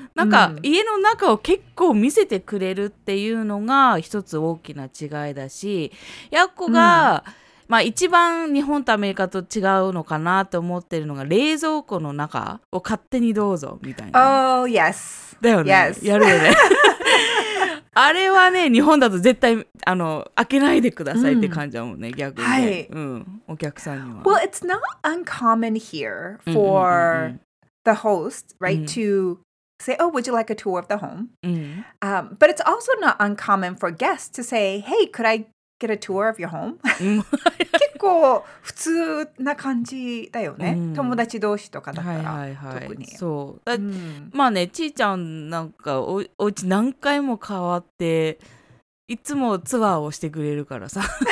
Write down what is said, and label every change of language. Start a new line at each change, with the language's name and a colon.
Japanese: なんか、家の中を結構見せてくれるっていうのが一つ大きな違いだし、やっこが、まあ一番日本とアメリカと違うのかなと思ってるのが、冷蔵庫の中を勝手にどうぞみたいな。
English: Oh, yes.
Japanese: だよね。
English: Yes.
Japanese: やるよね。あれはね、日本だと絶対あの開けないでくださいって感じだもんね、逆に、はい、うん、お客さんには。
English: Well, it's not uncommon here for the host, right, to say, oh, would you like a tour of the home? But it's also not uncommon for guests to say, hey, could I get a tour of your home?
Japanese: 結構普通な感じだよね、友達同士とかだったら、はいはいはい、特に。そう。まあね、ちーちゃんなんか お家何回も変わっていつもツアーをしてくれるからさ。